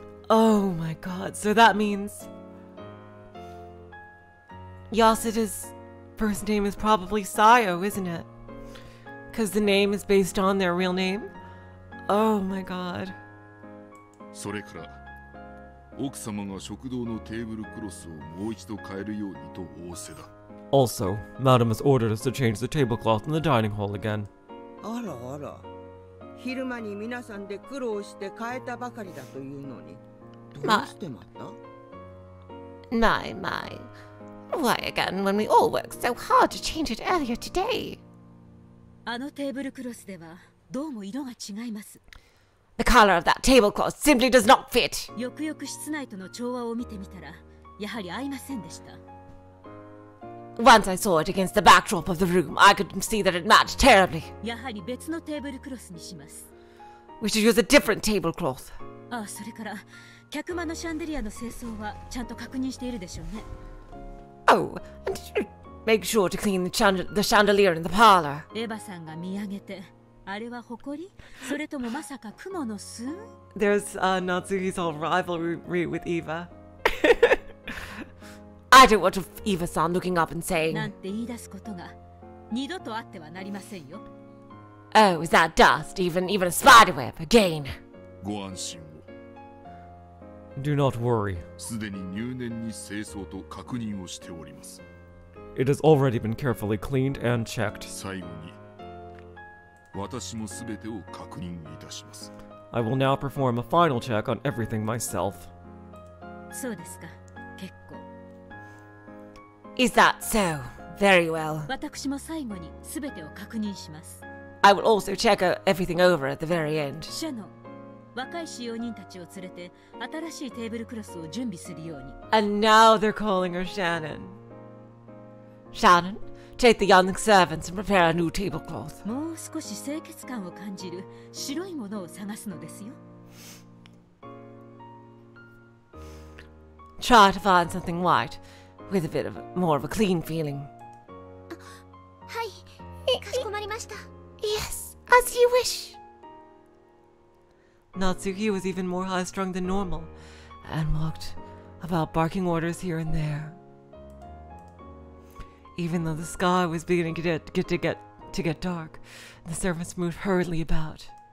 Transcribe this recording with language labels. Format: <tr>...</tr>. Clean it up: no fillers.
<en>Oh my god, so that means Yasuda's first name is probably Sayo, isn't it? Because the name is based on their real name? Oh my god.</en> <ja>それから, 奥様が食堂のテーブルクロスをもう一度変えるようにと仰せだ.</ja> <en>Also, Madam has ordered us to change the tablecloth in the dining hall again.</en> <ja>あらあら, 昼間に皆さんで苦労して変えたばかりだというのに.</ja> <en>My. Why again when we all worked so hard to change it earlier today?</en> <ja>あのテーブルクロスではどうも色が違います.</ja> <en>The color of that tablecloth simply does not fit.</en> <ja>よくよく室内との調和を見てみたら、やはり合いませんでした。</ja> <en>Once I saw it against the backdrop of the room, I could see that it matched terribly.</en> <ja>やはり別のテーブルクロスにします。</ja> <en>We should use a different tablecloth.</en> <ja>ああ、それから、客間のシャンデリアの清掃はちゃんと確認しているでしょうね。</ja> <en>Oh, and did you make sure to clean the chandelier in the parlor?</en> <ja>エヴァさんが見上げて、あれは埃？それともまさか雲の巣？</ja> <en>There's Natsuhi's old rivalry with Eva. I don't want Eva-san looking up and saying,</en> <ja>なんて言い出すことが、二度と会ってはなりませんよ。</ja> <en>Oh, is that dust? Even a spiderweb again.</en> <ja>ご安心を。</ja> <en>Do not worry.</en> <ja>すでに入念に清掃と確認をしております。</ja> <en>It has already been carefully cleaned and checked.</en> <ja>最後に、私もすべてを確認いたします。</ja> <en>I will now perform a final check on everything myself.</en> <ja>そうですか、結構。</ja> <en>Is that so? Very well.</en> <ja>私も最後にすべてを確認します。</ja> <en>I will also check everything over at the very end.</en> <ja>シャノン、若い使用人たちを連れて新しいテーブルクロスを準備するように。</ja> <en>And now they're calling her Shannon. Shannon, take the young servants and prepare a new tablecloth.</en> <ja>もう少し清潔感を感じる白いものを探すのですよ。</ja> <en>Try to find something white, with a bit of more of a clean feeling.</en> <ja>はい、かしこまりました。</ja> <en>Yes, as you wish. Natsuhi was even more high-strung than normal and walked about barking orders here and there. Even though the sky was beginning to get dark, the servants moved hurriedly about.</en>